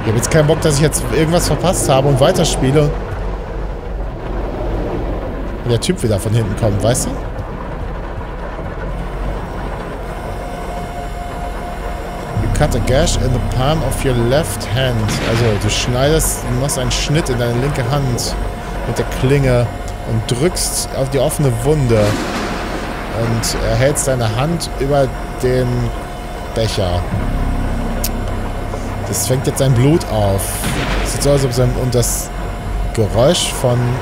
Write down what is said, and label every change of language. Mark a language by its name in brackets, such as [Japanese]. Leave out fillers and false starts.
[German] Kein Bock, dass ich jetzt irgendwas verpasst habe und weiterspiele. Und der Typ wieder von hinten kommt, weißt du? [English] You cut a gash in the palm of your left hand. [German] Also, du schneidest, du machst einen Schnitt in deine linke Hand mit der Klinge und drückst auf die offene Wunde und hältst deine Hand über den Becher. Es fängt jetzt sein Blut auf. Sieht so aus, ob sein. Und das Geräusch von.